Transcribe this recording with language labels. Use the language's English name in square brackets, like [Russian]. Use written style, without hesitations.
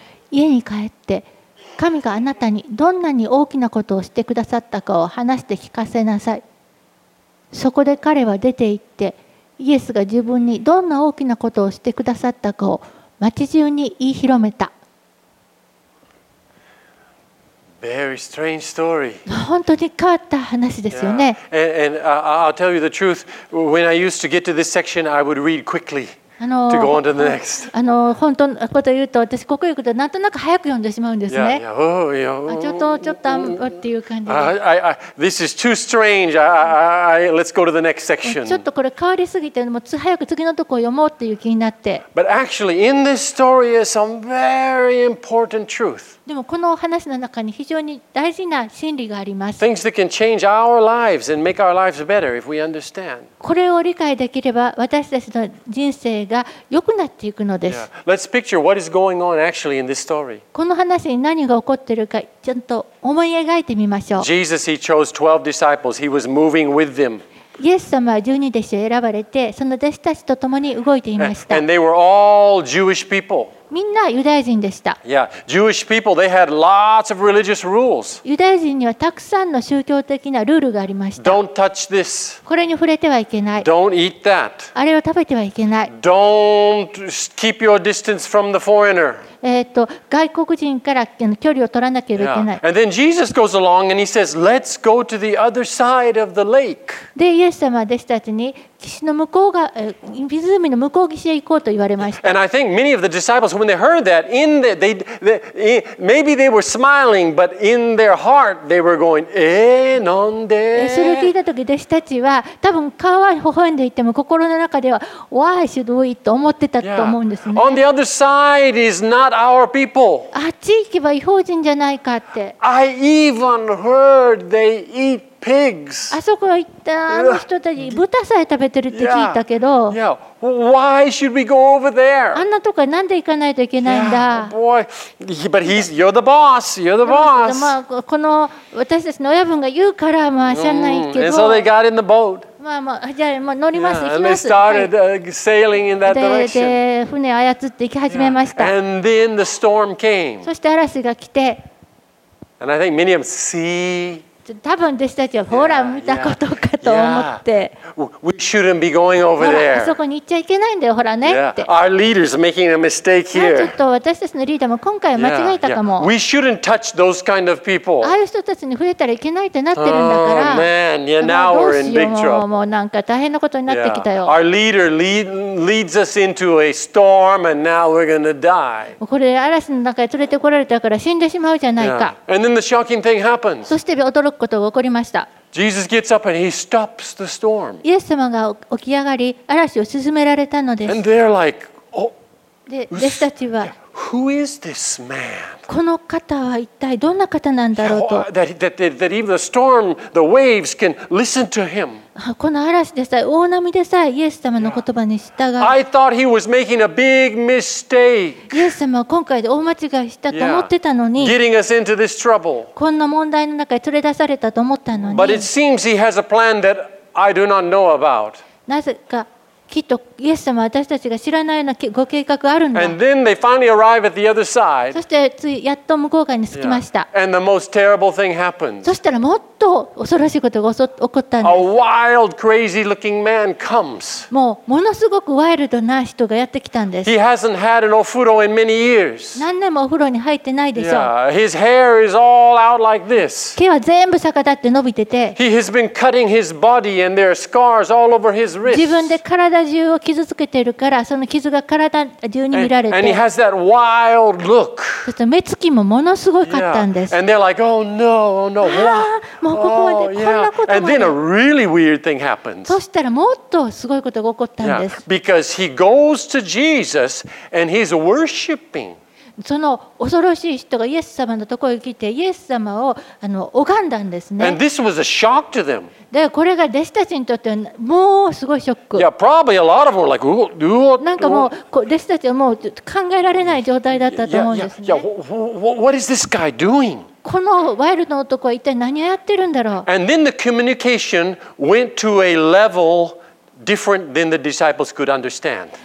[Japanese] 家に帰って、神があなたにどんなに大きなことをしてくださったかを話して聞かせなさい。そこで彼は出て行って、イエスが自分にどんな大きなことをしてくださったかを町中に言い広めた。 [English] Very strange story. [Japanese] 本当に変わった話ですよね。 [English] Yeah. And I'll tell you the truth. When I used to get to this section, I would read quickly. To go on to the next. [Japanese] 本当のことを言うと、私ここに行くとなんとなく早く読んでしまうんですね。ちょっとっていう感じで。 [English] This is too strange. Let's go to the next section. [Japanese] ちょっとこれ変わりすぎて、もう早く次のところを読もうっていう気になって。 [English] But actually, in this story is some very important truth. [Japanese] でもこの話の中に非常に大事な真理があります。 [English] Things that can change our lives and make our lives better if we understand. [Japanese] これを理解できれば私たちの人生が良くなっていくのです。 [English] Yeah. Let's picture what is going on actually in this story. [Japanese] この話に何が起こっているかちゃんと思い描いてみましょう。 [English] Jesus, he chose 12 disciples. He was moving with them. [Japanese] イエス様は十二弟子を選ばれて、その弟子たちと共に動いていました。 [English] And they were all Jewish people. [Japanese] みんなユダヤ人でした。 [English] Yeah, Jewish people, they had lots of religious rules. [Japanese] ユダヤ人にはたくさんの宗教的なルールがありました。 [English] Don't touch this. [Japanese] これに触れてはいけない。 [English] Don't eat that. [Japanese] あれを食べてはいけない。 [English] Don't keep your distance from the foreigner. [Japanese] 外国人から距離を取らなければいけない。 [English] Yeah. And then Jesus goes along and he says, "Let's go to the other side of the lake." [Japanese] で、イエス様は弟子たちに岸の向こうが、湖の向こう岸へ行こうと言われました。 [English] And I think many of the disciples, when they heard that, maybe they were smiling, but in their heart they were going, [Japanese] なんで? それを聞いた時、弟子たちは多分顔は微笑んでいても心の中では [English] Why should we? [Japanese] と思ってたと思うんですね。 [English] Yeah. On the other side is not our people. [Japanese] あっち行けば異邦人じゃないかって。 [English] I even heard they eatPigs. [Japanese] あそこ行ったあの人たち豚さえ食べてるって聞いたけど、 [English] Why should we go over there? [Japanese] あんなとこなんで行かないといけないんだ。 [English] Boy, but he's you're the boss. You're the boss. [Japanese] まあこの私たちの親分が言うからまあしゃないけど。 [English] And so they got in the boat. [Japanese] まあまあじゃあもう乗ります行きます。 [English] And they started sailing in that direction. [Japanese] で船を操って行き始めました。 [English] And then the storm came. [Japanese] そして嵐が来て。 [English] And I think many of them see. [Japanese] 多分弟子たちはほら見たことかと思って。 [English] We shouldn't be going over there. [Japanese] そこに行っちゃいけないんだよ、ほらねって。 [English] Our leader's making a mistake here. [Japanese] ちょっと私たちのリーダーも今回は間違えたかも。 [English] We shouldn't touch those kind of people. [Japanese] ああいう人たちに触れたらいけないってなってるんだから。 [English] Oh man, yeah, now we're in big trouble. [Japanese] もうなんか大変なことになってきたよ。 [English] Our leader leads us into a storm, and now we're gonna die. [Japanese] これ嵐の中へ連れてこられたから死んでしまうじゃないか。 [English] And then the shocking thing happens. [Japanese] そして驚くことが起こりました。 [English] Jesus gets up and he stops the storm. [Japanese] イエス様が起き上がり嵐を鎮められたのです。 [English] And they're like, oh. [Japanese] で、弟子たちは、 [English] Who is this man? [Japanese] この方は一体どんな方なんだろうと。 [English] That even the storm, the waves can listen to him. [Japanese] この嵐でさえ大波でさえイエス様の言葉に従う。 [English] I thought he was making a big mistake. [Japanese] イエス様は今回で大間違いしたと思ってたのに。 [English] Getting us into this trouble. [Japanese] こんな問題の中に連れ出されたと思ったのに。 [English] But it seems he has a plan that I do not know about. [Japanese] なぜか。きっとイエス様は私たちが知らないようなご計画があるんだ。 [English] And then they finally arrive at the other side. [Japanese] そしてついやっと向こう側に着きました。 [English] Yeah. And the most terrible thing happens. [Japanese] そしたらもっと恐ろしいことが起こったんです。 [English] A wild, crazy looking man comes. [Japanese] もうものすごくワイルドな人がやってきたんです。 [English] He hasn't had an ofuro in many years. [Japanese] 何年もお風呂に入ってないでしょう。 [English] Yeah. His hair is all out like this. [Japanese] 毛は全部逆立って伸びてて。 [English] He has been cutting his body and there are scars all over his wrists. [Japanese] 自分で体体中を傷つけているからその傷が体中に見られて [English] and he has that wild look. [Japanese] そして目つきもものすごかったんです、 [English] yeah. and they're like, oh no, oh no, [Japanese] もうここまで、こんなことまで、 [English] and then a really weird thing happens. [Japanese] そしたらもっとすごいことが起こったんです、 [English] yeah. because he goes to Jesus and he's worshiping. [Japanese] その恐ろしい人がイエス様のところに来てイエス様を拝んだんですね [English] and this was a shock to them. [Japanese] でこれが弟子たちにとってはもうすごいショック。 [English] Yeah, probably a lot of them were like, ooh, ooh. [Japanese] なんかもう弟子たちはもう考えられない状態だったと思うんですね。 [English] Yeah, yeah, yeah. What is this guy doing? [Japanese] このワイルドの男は一体何をやってるんだろう。 [English] And then the communication went to a level different than the disciples could understand.